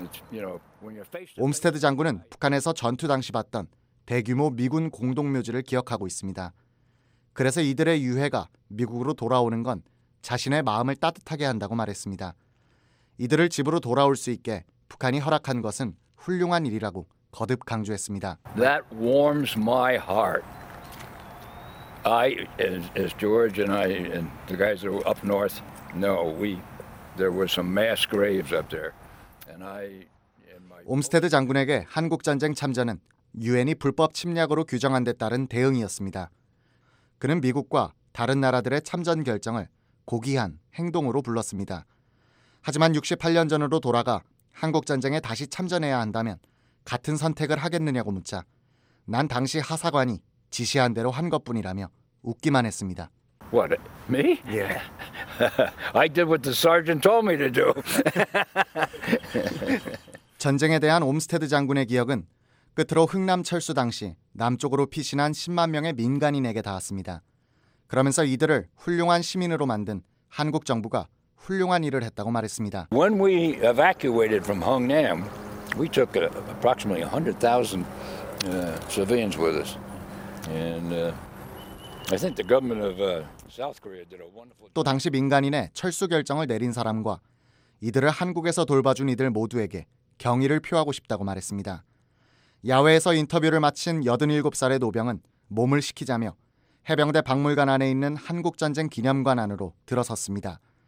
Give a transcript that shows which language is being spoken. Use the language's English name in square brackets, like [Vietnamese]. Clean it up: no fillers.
[English] You know, when you're faced. [Korean] 옴스테드 장군은 북한에서 전투 당시 봤던 대규모 미군 공동묘지를 기억하고 있습니다. 그래서 이들의 유해가 미국으로 돌아오는 건 자신의 마음을 따뜻하게 한다고 말했습니다. 이들을 집으로 돌아올 수 있게 북한이 허락한 것은 훌륭한 일이라고 거듭 강조했습니다. [English] That warms my heart. I, as George and I and the guys who are up north, know we there were some mass graves up there. And I. [Korean] 옴스테드 장군에게 한국 전쟁 참전은 유엔이 불법 침략으로 규정한 데 따른 대응이었습니다. 그는 미국과 다른 나라들의 참전 결정을 고귀한 행동으로 불렀습니다. 하지만 68년 전으로 돌아가 한국 전쟁에 다시 참전해야 한다면 같은 선택을 하겠느냐고 묻자 난 당시 하사관이 지시한 대로 한 것뿐이라며 웃기만 했습니다. [English] What, me? Yeah. I did what the sergeant told me to do. [Korean] 전쟁에 대한 옴스테드 장군의 기억은 끝으로 흥남 철수 당시 남쪽으로 피신한 10만 명의 민간인에게 닿았습니다. 그러면서 이들을 훌륭한 시민으로 만든 한국 정부가 훌륭한 일을 했다고 말했습니다. [English] When we evacuated from Hungnam, we took approximately 100,000 civilians with us. And I think the government of South Korea did a wonderful. [Korean] 또 당시 민간인의 철수 결정을 내린 사람과 이들을 한국에서 돌봐준 이들 모두에게 경의를 표하고 싶다고 말했습니다. 야외에서 인터뷰를 마친 87살의 노병은 몸을 식히자며 해병대 박물관 안에 있는 한국전쟁 기념관 안으로 들어섰습니다.